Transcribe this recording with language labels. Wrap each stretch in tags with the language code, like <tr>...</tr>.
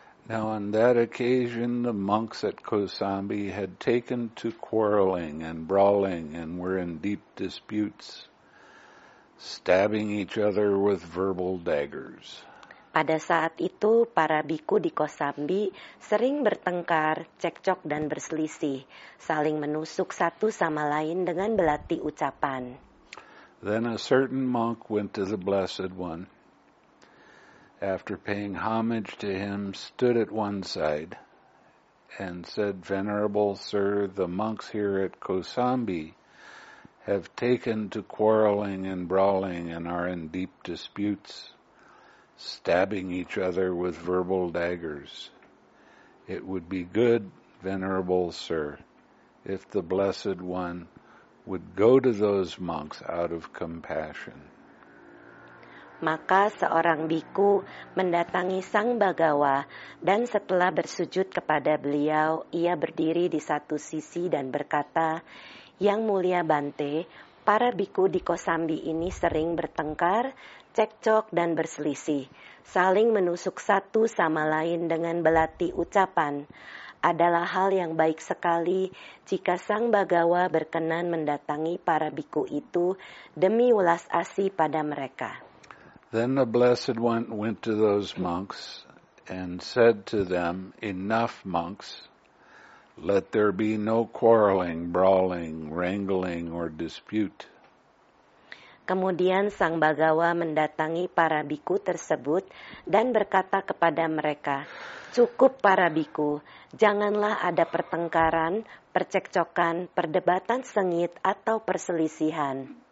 <en>Now on that occasion the monks at Kosambi had taken to quarreling and brawling and were in deep disputes, stabbing each other with verbal daggers.</en> <id>Pada saat itu para biku di Kosambi sering bertengkar, cekcok dan berselisih, saling menusuk satu sama lain dengan belati ucapan.</id> <en>Then a certain monk went to the Blessed One. After paying homage to him, stood at one side and said, "Venerable sir, the monks here at Kosambi have taken to quarreling and brawling and are in deep disputes, stabbing each other with verbal daggers. It would be good, venerable sir, if the Blessed One would go to those monks out of compassion."</en> <id>Maka seorang bhikkhu mendatangi Sang Bhagava dan setelah bersujud kepada beliau, ia berdiri di satu sisi dan berkata, "Yang Mulia Bante, para bhikkhu di Kosambi ini sering bertengkar, cekcok dan berselisih, saling menusuk satu sama lain dengan belati ucapan. Adalah hal yang baik sekali jika Sang Bhagava berkenan mendatangi para bhikkhu itu demi welas asih pada mereka."</id> <en>Then the Blessed One went to those monks and said to them, "Enough, monks. Let there be no quarreling, brawling, wrangling, or dispute."</en> <id>Kemudian Sang Bhagava mendatangi para bhikkhu tersebut dan berkata kepada mereka, "Cukup para bhikkhu, janganlah ada pertengkaran, percekcokan, perdebatan sengit, atau perselisihan."</id>